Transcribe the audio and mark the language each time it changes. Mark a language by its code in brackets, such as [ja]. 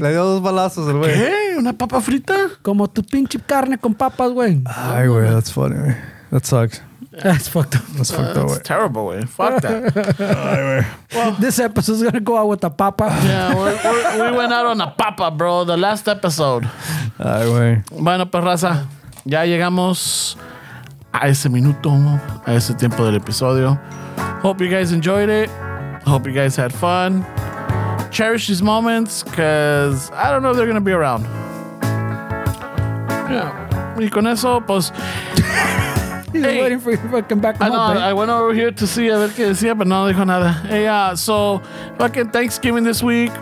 [es] Le dio dos balazos el güey. ¿Qué? ¿Una papa frita? Como tu pinche carne con papas, güey. [en] Ay, güey. That's funny, güey. That sucks. That's fucked up. That's fucked up. That's terrible, way. Fuck that. Well, this episode is gonna go out with a papa. Yeah, we went out on a papa, bro. The last episode. [es] Ay, way. Bueno, perraza, ya llegamos a ese minuto, a ese tiempo del episodio. [en] Hope you guys enjoyed it. Hope you guys had fun. Cherish these moments, cause I don't know if they're gonna be around. [es] Yeah. Y con eso, pues. [en] He's waiting for you to fucking back. I know. I went over here to see [es] a ver qué decía, [en] but [es] no dijo nada. [en] Hey, so fucking Thanksgiving this week.